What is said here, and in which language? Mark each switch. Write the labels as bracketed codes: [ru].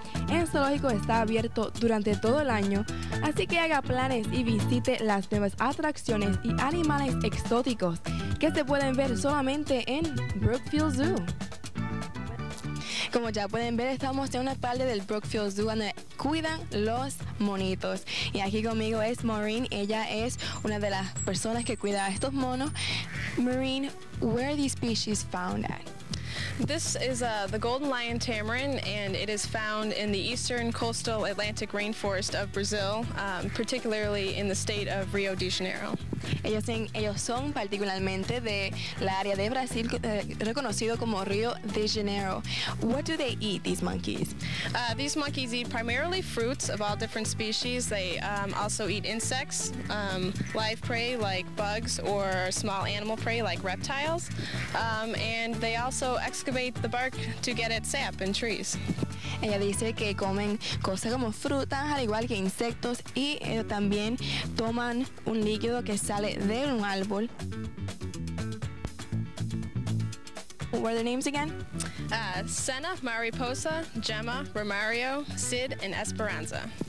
[es] El zoológico está abierto durante todo el año, así que haga planes y visite las nuevas atracciones y animales exóticos que se pueden ver solamente en Brookfield Zoo. Como ya pueden ver, estamos en una parte del Brookfield Zoo donde cuidan los monitos. Y aquí conmigo es Maureen. Ella es una de las personas que cuida a estos monos. [en] Maureen, where are these species found at? This is the golden lion tamarin, and it is found in the eastern coastal Atlantic rainforest of Brazil, particularly in the state of Rio de Janeiro. [es] Ellos son particularmente de la área de Brasil, reconocido como Rio de Janeiro. [en] What do they eat, these monkeys? These monkeys eat primarily fruits of all different species. They also eat insects, live prey like bugs, or small animal prey like reptiles. And they also excavate the bark to get at sap in trees. [es] Ella dice que comen cosas como frutas, al igual que insectos, y también toman un líquido que sale de un árbol. [en] What are their names again? Senna, Mariposa, Gemma, Romario, Sid, and Esperanza.